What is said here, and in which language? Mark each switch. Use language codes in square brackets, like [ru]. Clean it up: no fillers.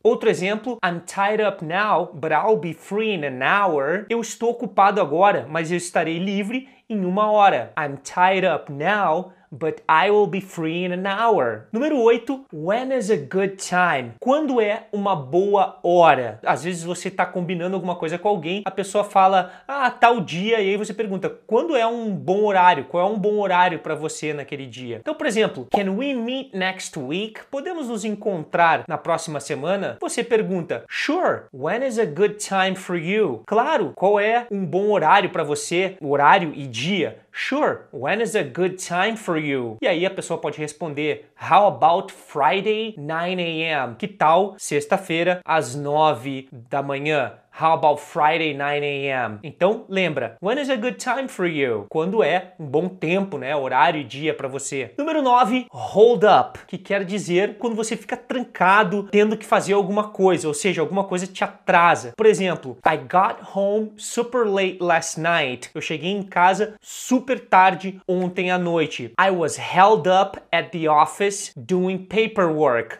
[pt] Outro exemplo, [en] I'm tied up now, but I'll be free in an hour. [pt] Eu estou ocupado agora, mas eu estarei livre em uma hora. [en] I'm tied up now, but I will be free in an hour. [pt] Número 8, [en] when is a good time? [pt] Quando é uma boa hora? Às vezes você está combinando alguma coisa com alguém, a pessoa fala, ah, tal dia, e aí você pergunta, quando é um bom horário? Qual é um bom horário para você naquele dia? Então, por exemplo, [en] can we meet next week? [pt] Podemos nos encontrar na próxima semana? Você pergunta, [en] sure, when is a good time for you? [pt] Claro, qual é um bom horário para você, horário e dia? [en] Sure, when is a good time for you? [pt] E aí a pessoa pode responder, [en] How about Friday, 9 a.m.? [pt] Que tal sexta-feira às 9 da manhã? [en] How about Friday, 9 a.m.? [pt] Então, lembra, [en] when is a good time for you? [pt] Quando é um bom tempo, né? Horário e dia pra você. Número 9, hold up, que quer dizer quando você fica trancado tendo que fazer alguma coisa, ou seja, alguma coisa te atrasa. Por exemplo, [en] I got home super late last night. [pt] Eu cheguei em casa super tarde ontem à noite. [en] I was held up at the office doing paperwork.